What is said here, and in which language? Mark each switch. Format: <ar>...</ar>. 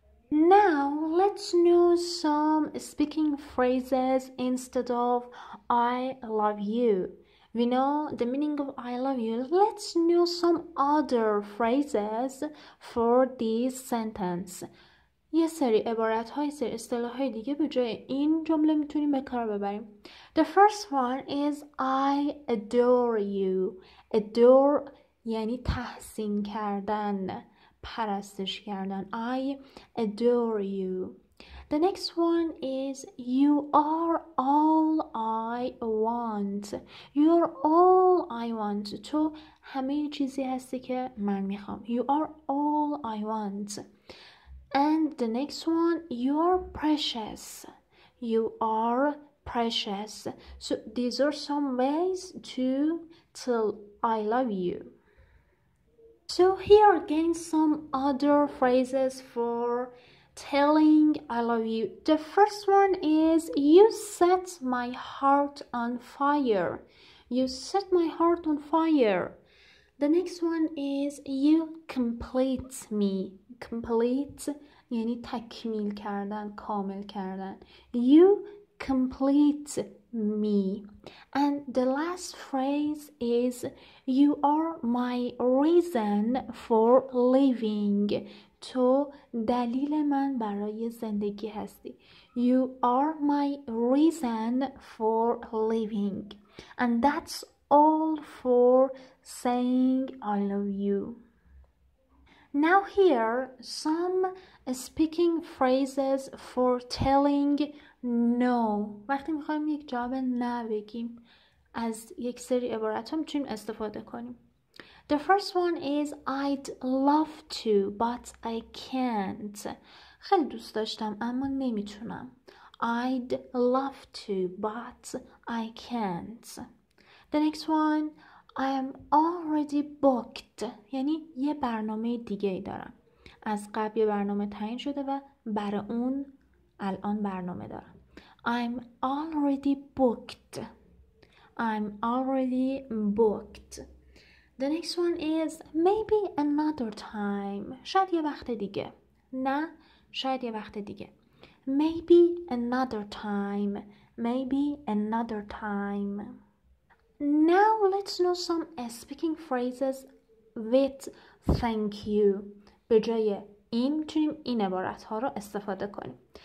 <en>Now let's know some speaking phrases instead of I love you. We know the meaning of I love you. Let's know some other phrases for this sentence.</en> <fa>یه سری عبارت های سری اصطلاح های دیگه به جای این جمله میتونیم به کار ببریم.</fa> <en>The first one is I adore you.</en> <fa>Adore یعنی تحسین کردن، پرستش کردن.</fa> <en>I adore you. The next one is you are all I want. You're all I want.</en> <fa>تو همه چیزی هستی که من میخوام.</fa> <en>You are all I want. And the next one, you're precious. You are precious. So these are some ways to tell I love you. So here again, some other phrases for telling I love you. The first one is, you set my heart on fire. You set my heart on fire. The next one is, you complete me.</en> <fa>Complete یعنی تکمیل کردن، کامل کردن.</fa> <en>You complete me. And the last phrase is you are my reason for living.</en> <fa>تو دلیل من برای زندگی هستی.</fa> <en>You are my reason for living. And that's all for saying I love you. Now here, some speaking phrases for telling no.</en> <fa>وقتی میخواییم یک جواب نه بگیم، از یک سری عبارت هم چیم استفاده کنیم.</fa> <en>The first one is, I'd love to, but I can't.</en> <fa>خیلی دوست داشتم، اما نمیتونم.</fa> <en>I'd love to, but I can't. The next one, I am already booked.</en> <fa>یعنی یه برنامه دیگه دارم. از قبل یه برنامه تعیین شده و برای اون الان برنامه دارم.</fa> <en>I'm already booked. I'm already booked. The next one is maybe another time.</en> <fa>شاید یه وقت دیگه. نه، شاید یه وقت دیگه.</fa> <en>Maybe another time. Maybe another time. Now let's know some speaking phrases with thank you.</en> <fa>به جای این میتونیم این عبارت ها رو استفاده کنیم.</fa>